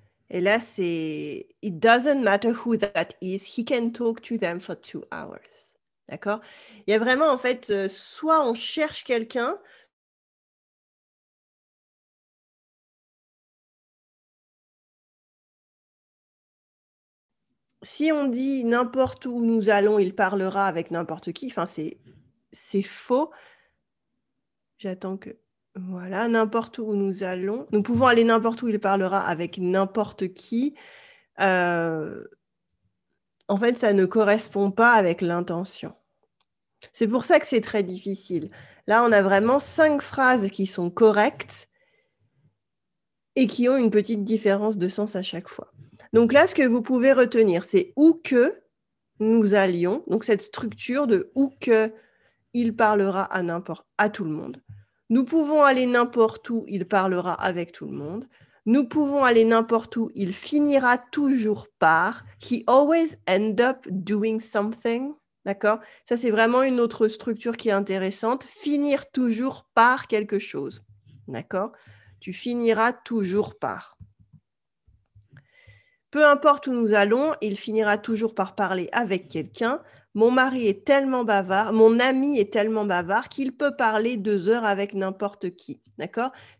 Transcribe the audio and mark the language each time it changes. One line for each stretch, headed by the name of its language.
French: Et là, c'est
English: it doesn't matter who that is, he can talk to them for 2 hours.
French: D'accord? Il y a vraiment, en fait, soit on cherche quelqu'un, si on dit n'importe où nous allons, il parlera avec n'importe qui, enfin, c'est faux. J'attends que. Voilà, n'importe où nous allons. Nous pouvons aller n'importe où, il parlera avec n'importe qui. En fait, ça ne correspond pas avec l'intention. C'est pour ça que c'est très difficile. Là, on a vraiment 5 phrases qui sont correctes, et qui ont une petite différence de sens à chaque fois. Donc là, ce que vous pouvez retenir, c'est où que nous allions, donc cette structure de où que il parlera à n'importe, à tout le monde. Nous pouvons aller n'importe où, il parlera avec tout le monde. Nous pouvons aller n'importe où, il finira toujours par.
English: He always end up doing something.
French: D'accord ? Ça, c'est vraiment une autre structure qui est intéressante. Finir toujours par quelque chose. D'accord ? Tu finiras toujours par. Peu importe où nous allons, il finira toujours par parler avec quelqu'un. Mon mari est tellement bavard, mon ami est tellement bavard qu'il peut parler 2 heures avec n'importe qui. D'accord ?